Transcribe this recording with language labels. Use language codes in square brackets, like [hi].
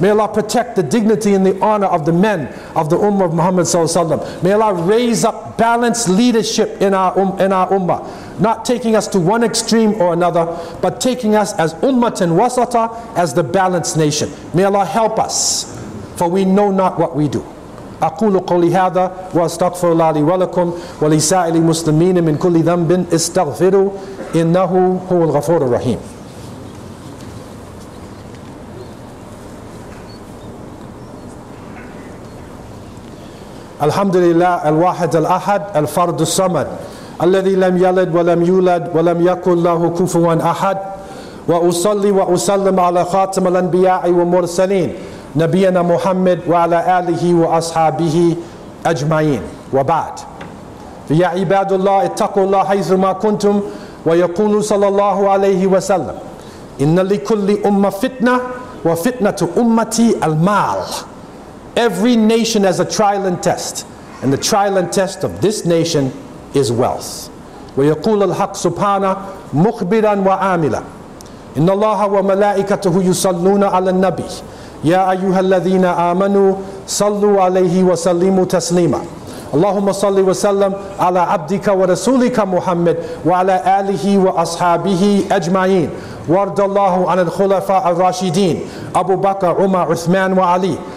[en] May Allah protect the dignity and the honor of the men of the ummah of Muhammad sallallahu alayhi wa sallam. May Allah raise up balanced leadership in our ummah. Not taking us to one extreme or another, but taking us as [ar] ummatin wasata, [en] as the balanced nation. May Allah help us, for we know not what we do. [ar] أقول قولي هذا وأستغفر الله لي ولكم ولسائر المسلمين من كل ذنب استغفروا إنه هو الغفور الرحيم. الحمد لله الواحد الأحد الفرد الصمد الذي لم يلد ولم يولد ولم يكن له كفوا أحد وأصلي وأسلم على خاتم الأنبياء والمرسلين نبينا محمد وعلى آله وأصحابه أجمعين وبعد يا عباد الله اتقوا الله حيثما كنتم ويقول صلى الله عليه وسلم إن لكل أمة فتنة وفتنة أمتي المال. [en] Every nation has a trial and test, and the trial and test of this nation is wealth. [ar] ويقول الحق سبحانه مخبرا وعاملا إن الله وملائكته يصلون على النبي يا أيها الذين آمنوا صلوا عليه وسلموا تسليما اللهم صل وسلم على عبدك ورسولك محمد وعلى آله وأصحابه أجمعين وارض الله عن الخلفاء الراشدين أبو بكر عمر عثمان وعلي